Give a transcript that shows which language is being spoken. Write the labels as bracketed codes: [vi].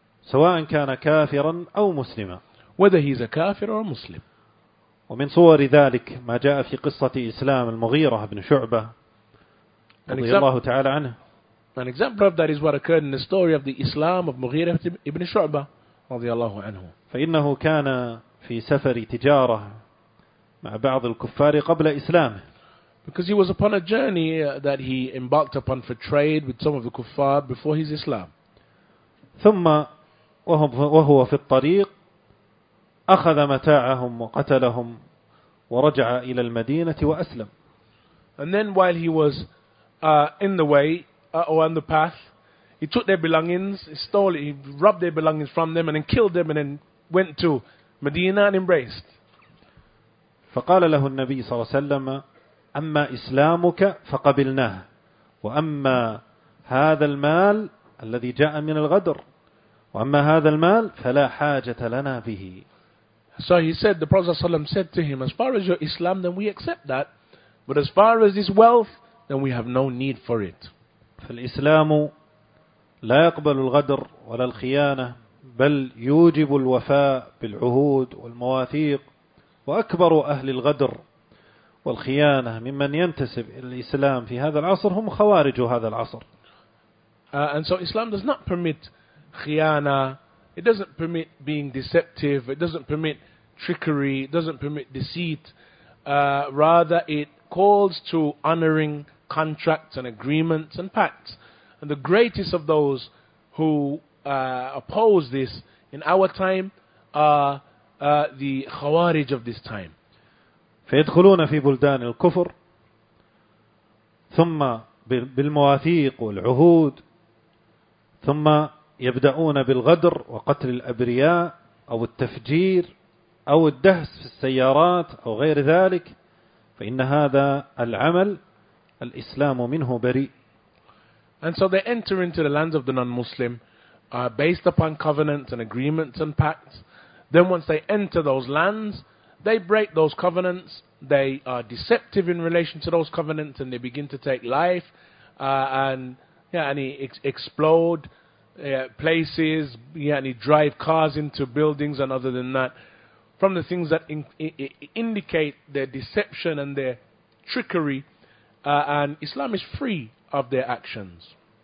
[ar] سواء كان كافرا أو مسلما. [en] Whether he's a kafir or a Muslim. [ar] ومن صور ذلك ما جاء في قصة إسلام المغيرة بن شعبة رضي الله تعالى عنه. [en] An example of that is what occurred in the story of the Islam of مغيرة بن شعبة [ar] رضي الله عنه. فإنه كان في سفر تجارة مع بعض الكفار قبل إسلامه. [en] Because he was upon a journey that he embarked upon for trade with some of the kuffar before his Islam. [ar] ثم وهو في الطريق أخذ متاعهم وقتلهم ورجع إلى المدينة وأسلم. [en] And then while he was in the way or on the path, he took their belongings, he stole it, he robbed their belongings from them and then killed them and then went to Medina and embraced. [ar] فقال له النبي صلى الله عليه وسلم أما إسلامك فقبلناه وأما هذا المال الذي جاء من الغدر وأما هذا المال فلا حاجة لنا به. [en] So he said, the Prophet ﷺ said to him, as far as your Islam, then we accept that, but as far as this wealth, then we have no need for it. [ar] فالإسلام لا يقبل الغدر ولا الخيانة بل يوجب الوفاء بالعهود والمواثيق وأكبر أهل الغدر والخيانة ممن ينتسب إلى الإسلام في هذا العصر هم خوارج هذا العصر. [en] And so Islam does not permit خيانة. It doesn't permit being deceptive. It doesn't permit trickery. It doesn't permit deceit. Rather, it calls to honoring contracts and agreements and pacts. And the greatest of those who oppose this in our time are the Khawarij of this time. [ar] فيدخلون في بلدان الكفر ثم بالمواثيق والعهود ثم يبدأون بالغدر وقتل الأبرياء أو التفجير أو الدهس في السيارات أو غير ذلك فإن هذا العمل الإسلام منه بريء. [en] And so they enter into the lands of the non-Muslim based upon covenants and agreements and pacts. Then once they enter those lands, they break those covenants, they are deceptive in relation to those covenants, and they begin to take life and explode places, yani drive cars into buildings and other than that, from the things that indicate their deception and their trickery, and Islam is free of their actions.